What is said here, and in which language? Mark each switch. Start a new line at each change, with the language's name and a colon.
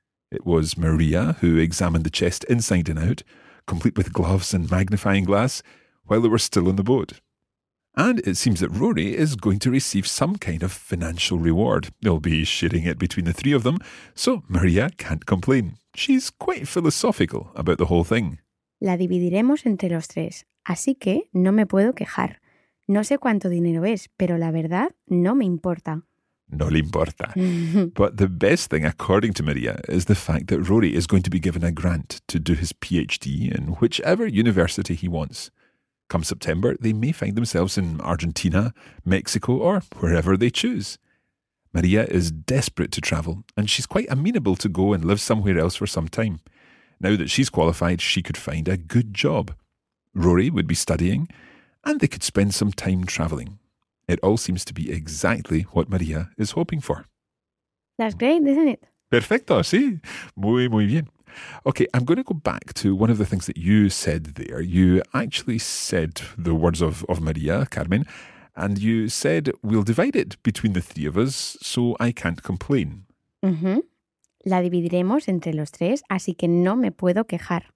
English: It was Maria who examined the chest inside and out, complete with gloves and magnifying glass, while they were still on the boat. And it seems that Rory is going to receive some kind of financial reward. They'll be sharing it between the three of them, so Maria can't complain. She's quite philosophical about the whole thing.
Spanish: La dividiremos entre los tres, así que no me puedo quejar. No sé cuánto dinero es, pero la verdad no me importa. No le importa.
English: But the best thing, according to Maria, is the fact that Rory is going to be given a grant to do his PhD in whichever university he wants. Come September, they may find themselves in Argentina, Mexico, or wherever they choose. Maria is desperate to travel, and she's quite amenable to go and live somewhere else for some time. Now that she's qualified, she could find a good job. Rory would be studying, and they could spend some time travelling. It all seems to be exactly what Maria is hoping for. That's great, isn't it?
Spanish: Perfecto, sí. Muy, muy bien.
English: Okay, I'm going to go back to one of the things that you said there. You actually said the words of Maria, Carmen, and you said, we'll divide it between the three of us, so I can't complain. Mm-hmm.
Spanish: La dividiremos entre los tres, así que no me puedo quejar.